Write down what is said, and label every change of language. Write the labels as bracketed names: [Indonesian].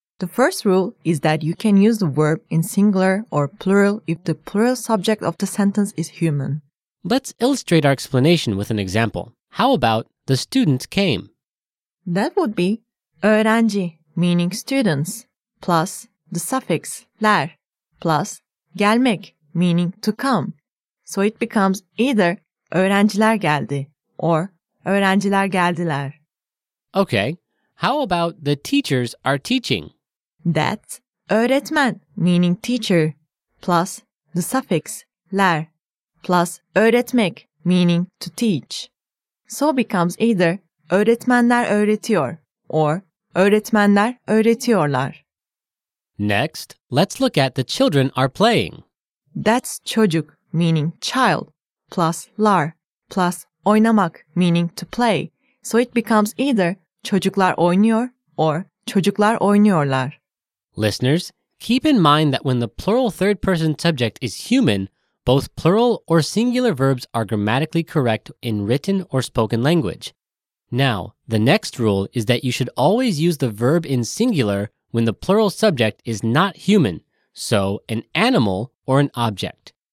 [English] The first rule is that you can use the verb in singular or plural if the plural subject of the sentence is human. Let's illustrate our explanation with an example. How about the students came? That would be öğrenci, meaning students, plus the suffix ler, plus gelmek, meaning to come. So it becomes either [Turkish] öğrenciler geldi, [English] or, [Turkish] öğrenciler geldiler. [English] Okay, how about the teachers are teaching? That's öğretmen, meaning teacher, plus the suffix ler, plus öğretmek, meaning to teach. So becomes either [Turkish] öğretmenler öğretiyor, [English] or [Turkish] öğretmenler öğretiyorlar. [English] Next, let's look at the children are playing. That's çocuk, meaning child, plus lar, plus oynamak, meaning to play. So it becomes either [Turkish] çocuklar oynuyor [English] or [Turkish] çocuklar oynuyorlar. [English] Listeners, keep in mind that when the plural third person subject is human, both plural or singular verbs are grammatically correct in written or spoken language. Now, the next rule is that you should always use the verb in singular when the plural subject is not human, so an animal or an object.